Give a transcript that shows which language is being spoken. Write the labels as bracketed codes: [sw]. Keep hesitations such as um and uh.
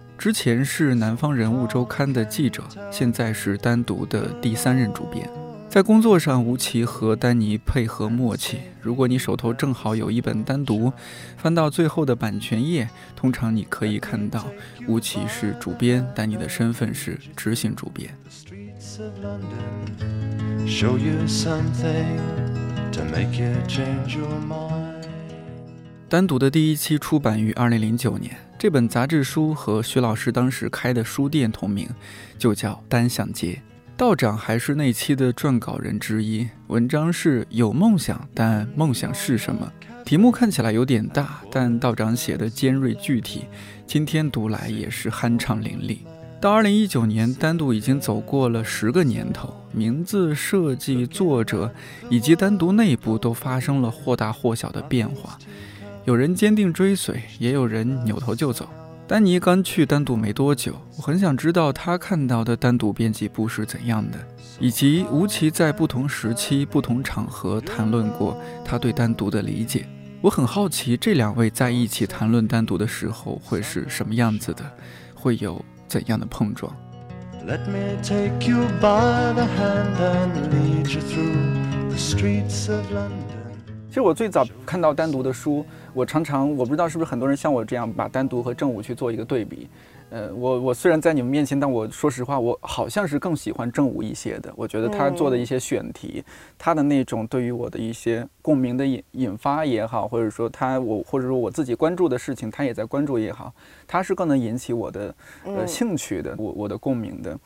[zh] 之前是《南方人物周刊》的记者，现在是单独的第三任主编。在工作上，吴奇和丹尼配合默契。如果你手头正好有一本单独，翻到最后的版权页，通常你可以看到吴奇是主编，丹尼的身份是执行主编。 [en] The of London, show you something to make you change your mind. [zh] 单独的第一期出版于二零零九年，这本杂志书和徐老师当时开的书店同名，就叫《单向街》。道长还是那期的撰稿人之一，文章是有梦想，但梦想是什么？题目看起来有点大，但道长写的尖锐具体，今天读来也是酣畅淋漓。到二零一九年，单独已经走过了十个年头，名字设计、作者以及单独内部都发生了或大或小的变化。有人坚定追随，也有人扭头就走。丹尼刚去单独没多久，我很想知道他看到的单独编辑部是怎样的，以及吴奇在不同时期、不同场合谈论过他对单独的理解。我很好奇这两位在一起谈论单独的时候会是什么样子的，会有怎样的碰撞。 [en] let me take you by the hand and lead you through the streets of London。 [zh] 其实我最早看到单独的书，我常常我不知道是不是很多人像我这样把单独和正午去做一个对比。呃，我我虽然在你们面前，但我说实话，我好像是更喜欢正午一些的。我觉得他做的一些选题，嗯、他的那种对于我的一些共鸣的引引发也好，或者说他我或者说我自己关注的事情，他也在关注也好，他是更能引起我的呃兴趣的，我我的共鸣的。